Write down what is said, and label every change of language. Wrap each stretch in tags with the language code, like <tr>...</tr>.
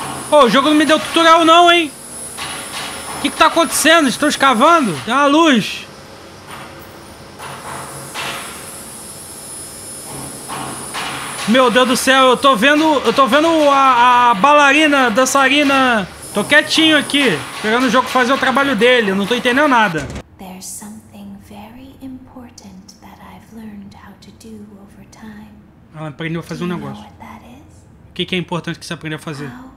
<pt>Ô, oh, o jogo não me deu tutorial não, hein? O que que tá acontecendo? Estou escavando? Tem uma luz! Meu Deus do céu, eu tô vendo a bailarina, dançarina... Tô quietinho aqui, esperando o jogo fazer o trabalho dele, não tô entendendo nada.</pt> <en>There's something very important that I've learned how to do over time.</en> <pt>Ela aprendeu a fazer do um negócio. O que é importante que você aprendeu a fazer?</pt>